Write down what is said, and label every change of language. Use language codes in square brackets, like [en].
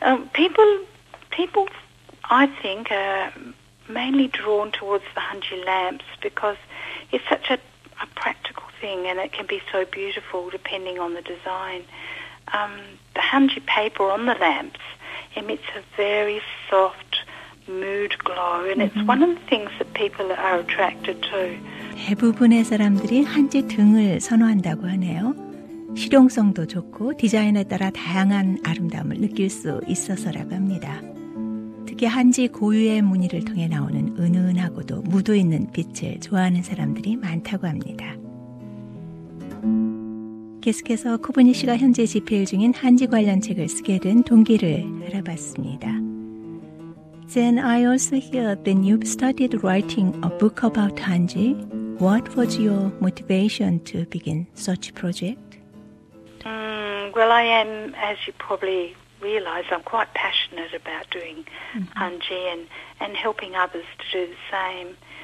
[en] People, I think, are mainly drawn towards the Hanji lamps because it's such a practical thing and it can be so beautiful depending on the design. The Hanji paper on the lamps emits a very soft mood glow and it's one of the things that people are attracted to. [ko] 대부분의 사람들이 한지 등을 선호한다고 하네요. 실용성도 좋고 디자인에 따라 다양한 아름다움을 느낄 수 있어서라고 합니다. 특히 한지 고유의 무늬를 통해 나오는 은은하고도 무도 있는 빛을 좋아하는 사람들이 많다고 합니다. 계속해서 코브니 씨가 현재 집필 중인 한지 관련 책을 쓰게 된 동기를 알아봤습니다. [en] Then I also hear that you've started writing a book about Hanji. What was your motivation to begin such a project? Well, I am, as you probably realize, I'm quite passionate about doing Hanji and helping others to do the same.